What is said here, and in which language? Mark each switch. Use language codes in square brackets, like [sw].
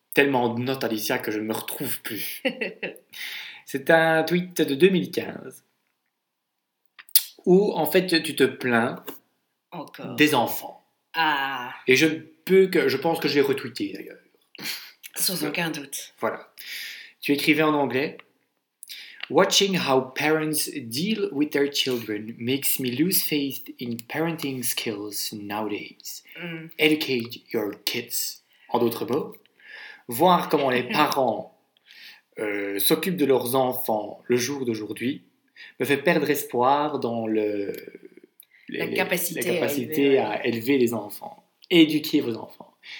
[fr] tellement de notes, Alicia, que je ne me retrouve plus. C'est un tweet de 2015 où, en fait, tu te plains encore des enfants. Ah. Et je peux que, je pense que je l'ai retweeté, d'ailleurs. Sans aucun doute. Voilà. Tu écrivais en anglais. [en] Watching how parents deal with their children makes me lose faith in parenting skills nowadays. Mm. Educate your kids. [fr] En d'autres mots, voir comment les parents s'occupent de leurs enfants le jour d'aujourd'hui me fait perdre espoir dans la capacité à élever les enfants, éduquer vos enfants.